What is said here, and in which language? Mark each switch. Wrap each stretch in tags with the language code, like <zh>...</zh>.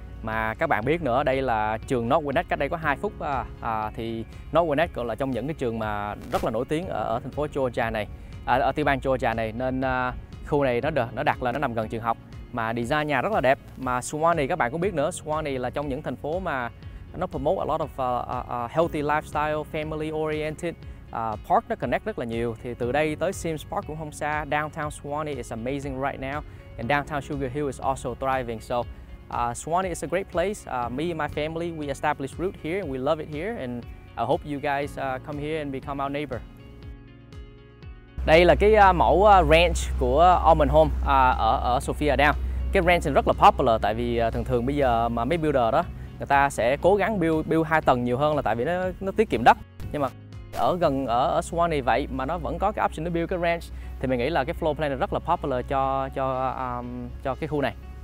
<vi>Mà các bạn biết nữa, đây là trường Northwest, cách đây có 2 phút thì Northwest gọi là trong những cái trường mà rất là nổi tiếng ở thành phố Georgia này, ở tiểu bang Georgia này, nên khu này nó nằm gần trường học, mà design nhà rất là đẹp. Mà Swanee các bạn cũng biết nữa, Swanee là trong những thành phố mà nó promote a lot of healthy lifestyle, family oriented park, nó connect rất là nhiều. Thì từ đây tới Sims Park cũng không xa.</vi> <en>Downtown Swanee is amazing right now, and downtown Sugar Hill is also thriving. So Swanee is a great place. Me and my family, we established root here and we love it here, and I hope you guys come here and become our neighbor.</en> <vi>Đây là cái mẫu ranch của Almond Home ở Sophia Downs. Cái ranch này rất là popular tại vì thường bây giờ mà mấy builder đó, người ta sẽ cố gắng build 2 tầng nhiều hơn là tại vì nó tiết kiệm đất. Nhưng mà ở gần ở Swanee vậy mà nó vẫn có cái option để build cái ranch, thì mình nghĩ là cái floor plan này rất là popular cho cái khu này.</vi>